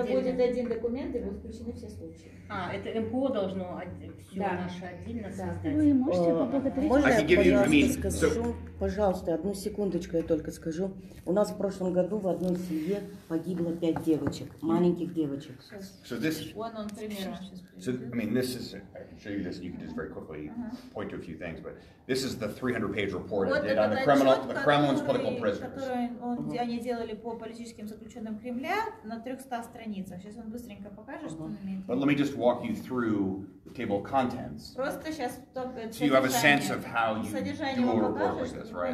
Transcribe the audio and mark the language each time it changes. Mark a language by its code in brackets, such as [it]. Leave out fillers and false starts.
[ru] Это будет один документ, и будут включены все случаи. А это МПО должно все наше отдельно создать. Вы можете поблагодарить. Можно я пожалуйста скажу? Пожалуйста, одну секундочку, я только скажу. У нас в прошлом году в одной семье погибло 5 девочек, маленьких девочек. [en] So this, so, I mean, this is, I'll show you this, you can just very quickly point to a few things, but this is the 300-page report I did on the criminal, the Kremlin's political prisoners. [ru] Который они делали по политическим заключенным Кремля на 300 страницах. Сейчас он быстренько покажет, что он имеет. [en] But let me just walk you through the table of contents. [ru] Просто сейчас [en] so you have a sense of how you do a report like this, right?